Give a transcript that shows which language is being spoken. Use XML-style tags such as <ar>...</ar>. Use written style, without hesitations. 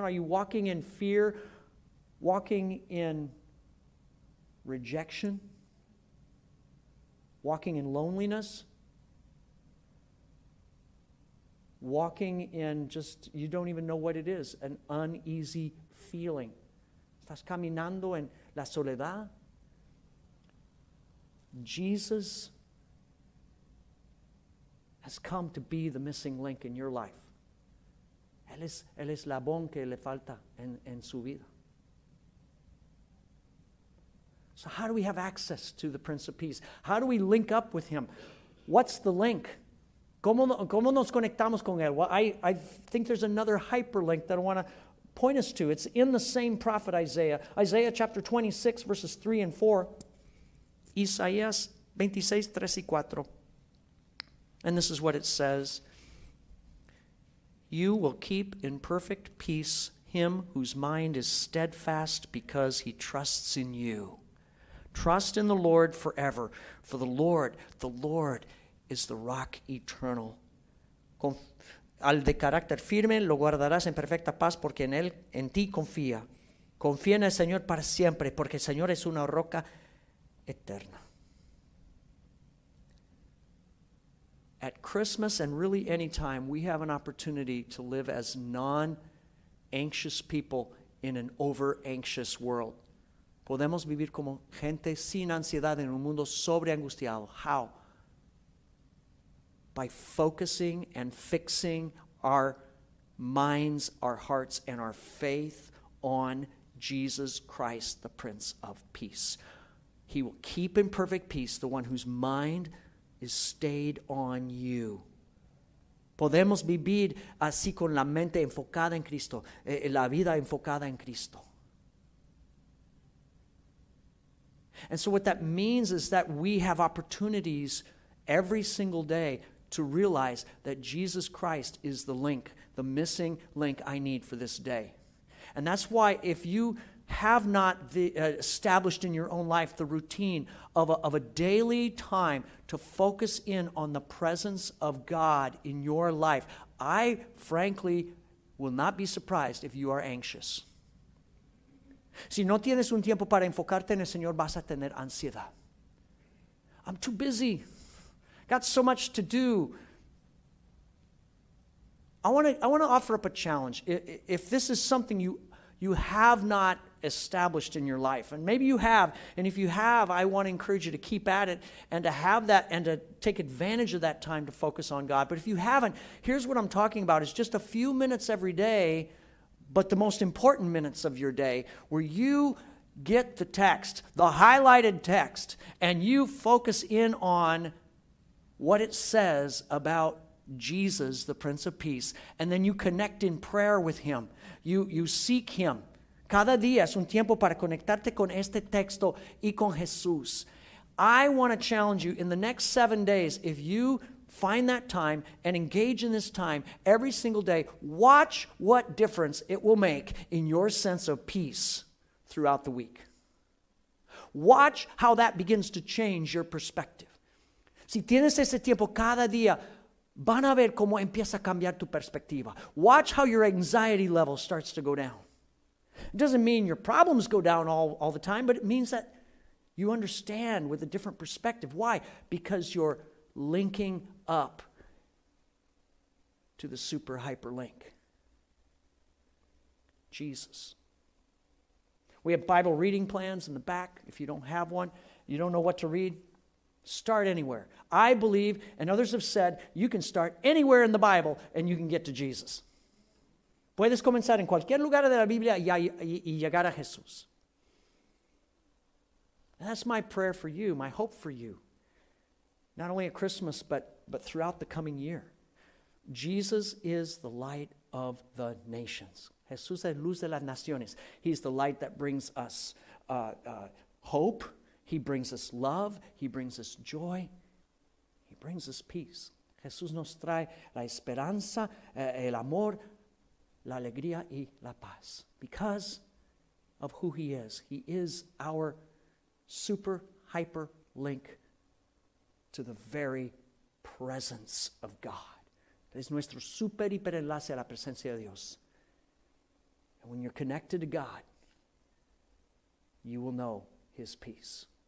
<en>Are you walking in fear, walking in rejection, walking in loneliness, walking in just, you don't even know what it is, an uneasy feeling?</en> <es>Estás caminando en la soledad.</es> <en>Jesus has come to be the missing link in your life.</en> <es>Él es la bon que le falta en su vida.</es> <en>So how do we have access to the Prince of Peace? How do we link up with him? What's the link?</en> <es>¿Cómo nos conectamos con él?</es> <en>Well, I think there's another hyperlink that I want to point us to. It's in the same prophet Isaiah. Isaiah chapter 26, verses 3 and 4.</en> <es>Isaías 26, 3 y 4.</es> <en>And this is what it says. You will keep in perfect peace him whose mind is steadfast because he trusts in you. Trust in the Lord forever. For the Lord is the rock eternal.</en> <es>Al de carácter firme lo guardarás en perfecta paz porque en él, en ti confía. Confía en el Señor para siempre porque el Señor es una roca eterna.</es> <en>At Christmas and really any time, we have an opportunity to live as non-anxious people in an over-anxious world.</en> <es>Podemos vivir como gente sin ansiedad en un mundo sobreangustiado.</es> <en>How? By focusing and fixing our minds, our hearts, and our faith on Jesus Christ, the Prince of Peace. He will keep in perfect peace the one whose mind is stayed on you.</en> <es>Podemos vivir así con la mente enfocada en Cristo, la vida enfocada en Cristo.</es> <en>And so what that means is that we have opportunities every single day to realize that Jesus Christ is the link, the missing link I need for this day. And that's why if you have not established in your own life the routine of a daily time to focus in on the presence of God in your life, I frankly will not be surprised if you are anxious.</en> <es>Si no tienes un tiempo para enfocarte en el Señor, vas a tener ansiedad.</es> <en>I'm too busy. Got so much to do. I want to offer up a challenge. If this is something you have not established in your life, and maybe you have, and if you have, I want to encourage you to keep at it and to have that and to take advantage of that time to focus on God. But if you haven't, here's what I'm talking about. It's just a few minutes every day, but the most important minutes of your day, where you get the text, the highlighted text, and you focus in on what it says about Jesus, the Prince of Peace, and then you connect in prayer with him. You seek him.</en> <es>Cada día es un tiempo para conectarte con este texto y con Jesús.</es> <en>I want to challenge you in the next 7 days, if you find that time and engage in this time every single day, watch what difference it will make in your sense of peace throughout the week. Watch how that begins to change your perspective.</en> <es>Si tienes ese tiempo cada día, van a ver cómo empieza a cambiar tu perspectiva.</es> <en>Watch how your anxiety level starts to go down. It doesn't mean your problems go down all the time, but it means that you understand with a different perspective. Why? Because you're linking up to the super hyperlink, Jesus. We have Bible reading plans in the back. If you don't have one, you don't know what to read, start anywhere. I believe, and others have said, you can start anywhere in the Bible and you can get to Jesus.</en> <es>Puedes comenzar en cualquier lugar de la Biblia y llegar a Jesús.</es> <en>And that's my prayer for you, my hope for you. Not only at Christmas, but throughout the coming year. Jesus is the light of the nations.</en> <es>Jesús es luz de las naciones.</es> <en>He's the light that brings us hope. He brings us love. He brings us joy. He brings us peace.</en> <es>Jesús nos trae la esperanza, el amor, la alegría y la paz.</es> <en>Because of who he is. He is our super hyper link to the very presence of God.</en> <es>Es nuestro super hiper enlace a la presencia de Dios.</es> <en>And when you're connected to God, you will know his peace.</en>